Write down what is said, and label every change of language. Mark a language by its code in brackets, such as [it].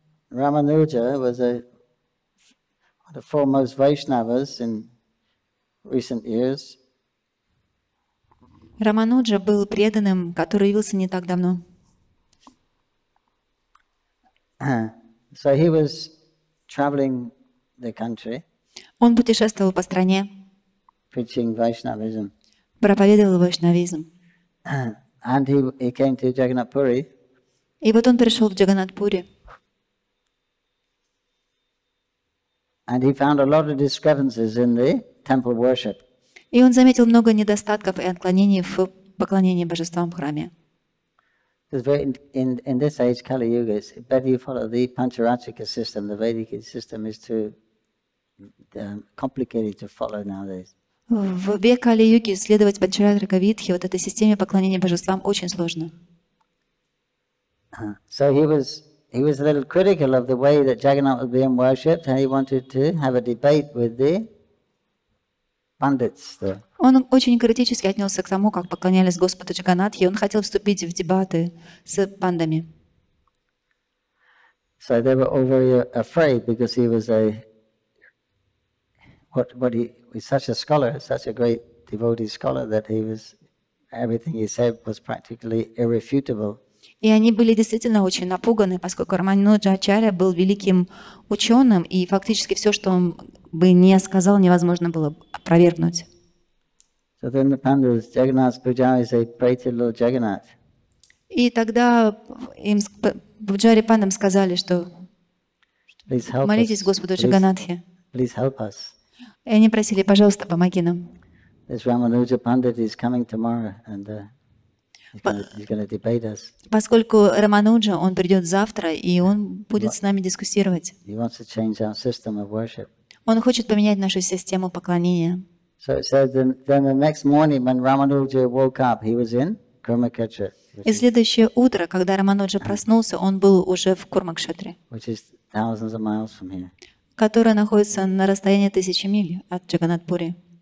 [en] Рамануджа was one of the foremost Vaishnavas in recent years. [ru] Рамануджа был преданным, который явился не так давно. [en] So he was traveling the country. [ru] Он путешествовал по стране, проповедовал вайшнавизм. [en] He came to Jagannath Puri. [ru] И вот он пришел в Джаганнат Пури. [en] And he found a lot of discrepancies in the temple worship. [ru] И он заметил много недостатков и отклонений в поклонении божествам в храме. [en] In this age, Kali Yuga, it's better you follow the Pancharatrika system. The Vedic system is too complicated to follow nowadays. [ru] В век Кали-юги следовать Панчаратрика Видхи, вот этой системе поклонения божествам, очень сложно. [en] So he was a little critical of the way that Jagannath was being worshipped, and he wanted to have a debate with the pundits there. [ru] Он очень критически отнесся к тому, как поклонялись Господу Джаганнатхе, и он хотел вступить в дебаты с пандами. [en] So they were all very afraid because he was such a scholar, such a great devotee scholar, that he was everything he said was practically irrefutable. [ru] И они были действительно очень напуганы, поскольку Рамануджа Ачарья был великим ученым, и фактически все, что он бы не сказал, невозможно было опровергнуть. [en] So then the pandas, Jagannath's pujaris, they prayed to Lord Jagannath. [ru] И тогда им пуджари пандам сказали, что молитесь Господу Джаганнатхе. [en] Please help us. [ru] И они просили, пожалуйста, помоги нам. [en] This Ramanuja Pandit is coming tomorrow, and he's going to debate us. [ru] Поскольку Рамануджа, он придет завтра, и он будет с нами дискуссировать. [en] He wants to change our system of worship. [ru] Он хочет поменять нашу систему поклонения. [en] So it says then the next morning when Ramanuja woke up, he was in Kurmakshetra. [ru] И следующее утро, когда Рамануджа проснулся, он был уже в Курмакшетре. [en] Which is thousands of miles from here. [ru] Которая находится на расстоянии тысячи миль от Джаганатпури.